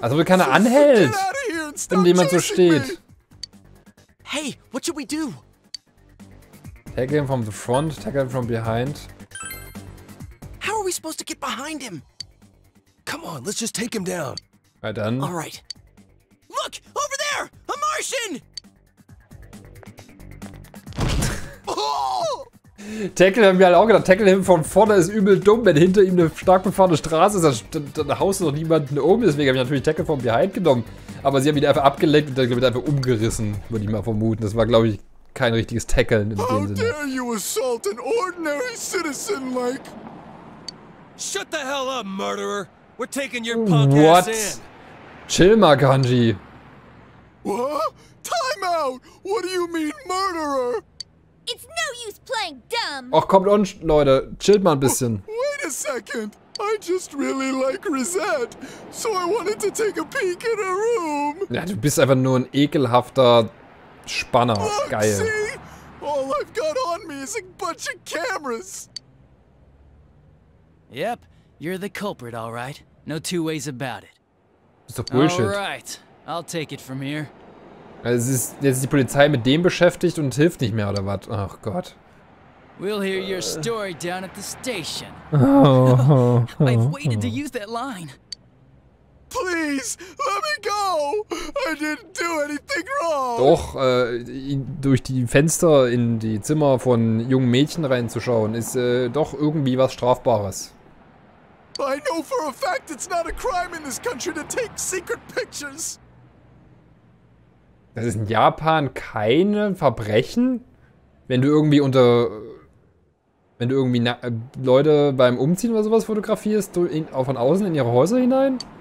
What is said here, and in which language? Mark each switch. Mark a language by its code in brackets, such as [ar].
[de] Also, wenn keiner anhält, wenn jemand so steht. [en] Hey, what should we do? Tag him from the front, tag him from behind. How are we supposed to get behind him? Come on, let's just take him down. Right then. Alright. Look! Over there! A Martian! [de] Tackle haben wir halt auch gedacht. [en] Tackle him [de] von vorne ist übel dumm. Wenn hinter ihm eine stark befahrene Straße ist, dann haust du doch niemanden um. Deswegen habe ich natürlich Tackle von behind genommen. Aber sie haben ihn einfach abgelenkt und dann wird einfach umgerissen, würde ich mal vermuten. Das war, glaube ich, kein richtiges Tackeln in dem Sinne. [en] How dare you assault an ordinary citizen like. Shut the hell up, murderer! We're taking your punk ass in. [de] Chill mal, Kanji. [en] What? Time out! What do you mean, murderer? It's no use playing dumb. [de] Ach, kommt on, Leute, chillt mal ein bisschen. [en] Wait a second. I just really like Rosette, so I wanted to take a peek in her room. [de] Ja, du bist einfach nur ein ekelhafter Spanner. [en] Look, [de] geil. [en] See? All I've got on me is a bunch of cameras. Yep, you're the culprit, all right. No two ways about it. [de] Das ist doch Bullshit. [en] All right, I'll take it from here. [de] Es ist jetzt die Polizei mit dem beschäftigt und hilft nicht mehr oder was? Ach Gott. [en] We'll hear your story down at the station. I've waited to use that line. Please, let me go. I didn't do anything wrong. [de] Doch, durch die Fenster in die Zimmer von jungen Mädchen reinzuschauen ist doch irgendwie was Strafbares. [en] I know for a fact it's not a crime in this country to take secret pictures. [de] Das ist in Japan kein Verbrechen, wenn du irgendwie unter. Wenn du irgendwie Leute beim Umziehen oder sowas fotografierst, von außen in ihre Häuser hinein?